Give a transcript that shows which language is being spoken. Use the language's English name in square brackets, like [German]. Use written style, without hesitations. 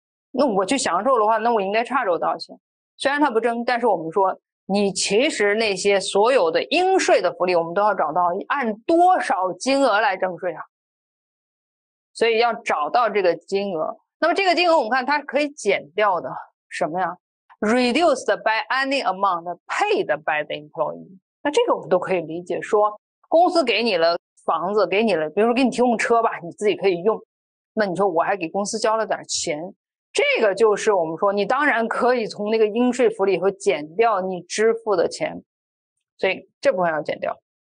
[Chinese] 那我去享受的话，那我应该差着多少钱？虽然它不征，但是我们说你其实那些所有的应税的福利我们都要找到，按多少金额来征税啊？所以要找到这个金额。那么这个金额我们看它可以减掉的什么呀？ [English] Reduced by any amount paid by the employee。 [Chinese] 那这个我们都可以理解，说公司给你了房子，给你了，比如说给你提供车吧，你自己可以用，那你说我还给公司交了点钱，这个就是我们说你当然可以从那个应税福利以后减掉你支付的钱，所以这部分要减掉。